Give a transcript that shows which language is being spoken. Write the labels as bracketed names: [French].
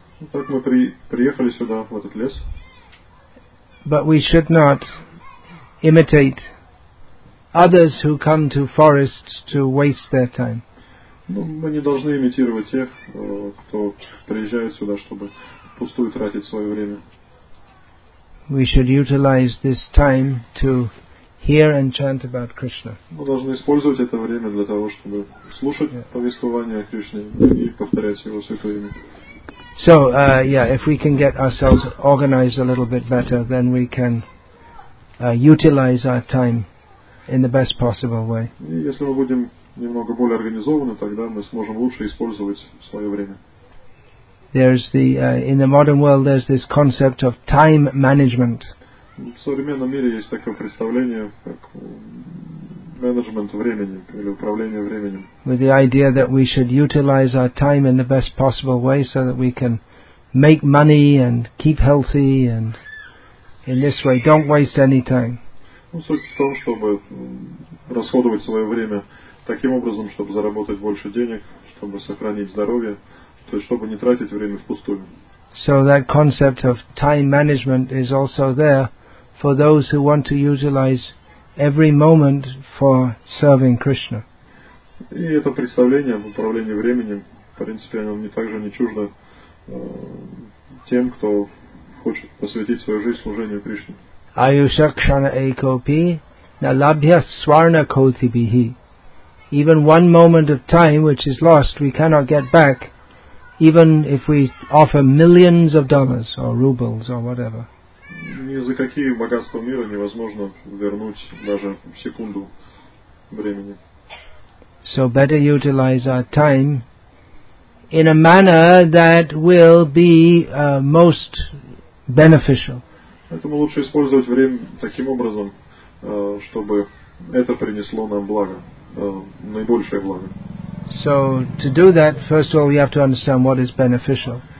[Russian] Так мы приехали сюда, в этот лес. [English] But we should not imitate others who come to forests to waste their time. [Russian] Ну, мы не должны имитировать тех, кто приезжает сюда, чтобы впустую тратить свое время. [English] we should utilize this time to hear and chant about Krishna. [Russian] Мы должны использовать это время для того, чтобы слушать повествование о Кришне и повторять его святое имя. [English] So, yeah, if we can get ourselves organized a little bit better, then we can utilize our time in the best possible way. [Russian] И если мы будем немного более организованы, тогда мы сможем лучше использовать свое время. [English] There's the in the modern world there's this concept of time management. [Russian] В современном мире есть такое представление, как менеджмент времени или управление временем. [English] With the idea that we should utilize our time in the best possible way so that we can make money and keep healthy and in this way don't waste any time. [Russian] Ну, суть в том, чтобы расходовать свое время таким образом, чтобы заработать больше денег, чтобы сохранить здоровье. То есть, чтобы не тратить время впустую. [English] So that concept of time management is also there for those who want to utilize every moment for serving Krishna. [Russian] И это представление об управлении временем, в принципе, оно не также не чуждо тем, кто хочет посвятить свою жизнь служению Кришне. [Sanskrit] Ayusha kshana ekopi na labhya swarna kothibihi. [English] Even one moment of time which is lost, we cannot get back. Even if we offer millions of dollars or rubles or whatever. [Russian] Ни за какие богатства мира невозможно вернуть даже секунду времени. [English] So better utilize our time in a manner that will be most beneficial. [Russian] Поэтому лучше использовать время таким образом, чтобы это принесло нам благо, наибольшее благо. [English] So to do that, first of all, we have to understand what is beneficial.